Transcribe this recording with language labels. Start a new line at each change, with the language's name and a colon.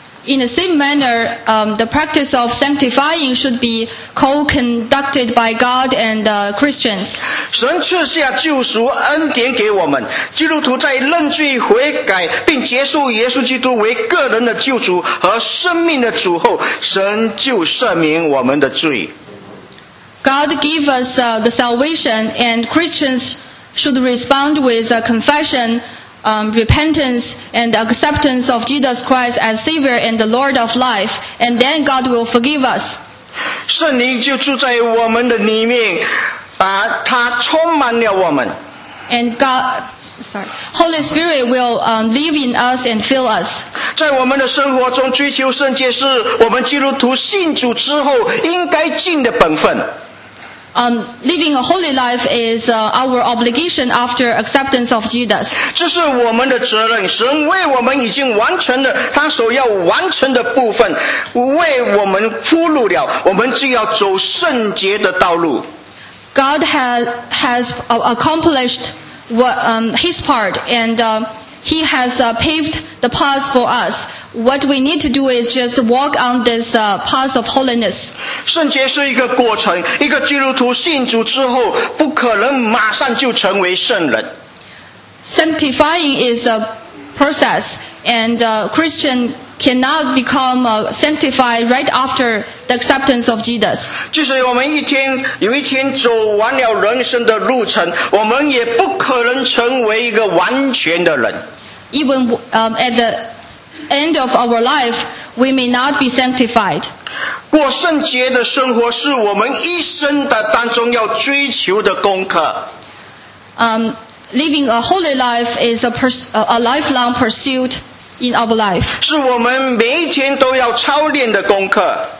English: in the same manner, the practice of sanctifying should be co-conducted by God and Christians.
Chinese: 神赐下救赎恩典给我们，基督徒在认罪悔改并接受耶稣基督为个人的救主和生命的主后，神就赦免我们的罪。
English: God gave us the salvation, and Christians should respond with a confession, repentance, and acceptance of Jesus Christ as Savior and the Lord of life, and then God will forgive us.
Chinese: 圣灵就住在我们的里面，把它充满了我们。
English: And God, Holy Spirit will live in us and fill us.
Chinese: 在我们的生活中追求圣洁是我们基督徒信主之后应该尽的本分。
English: Living a holy life is our obligation after acceptance of Jesus.
Chinese: 这是我们的责任，神为我们已经完成了他所要完成的部分，为我们铺路了，我们就要走圣洁的道路。
English: God has accomplished his part, and he has paved the path for us. What we need to do is just walk on this path of holiness.
Chinese: 圣洁是一个过程，一个基督徒信主之后不可能马上就成为圣人。
English: Sanctifying is a process, and a Christian cannot become sanctified right after the acceptance of Jesus.
Chinese: 就是我们一天有一天走完了人生的路程，我们也不可能成为一个完全的人。
English: Even at the end of our life, we may not be sanctified.
Chinese: 过圣洁的生活是我们一生的当中要追求的功课。
English: Living a holy life is a lifelong pursuit in our life.
Chinese: 是我们每一天都要操练的功课。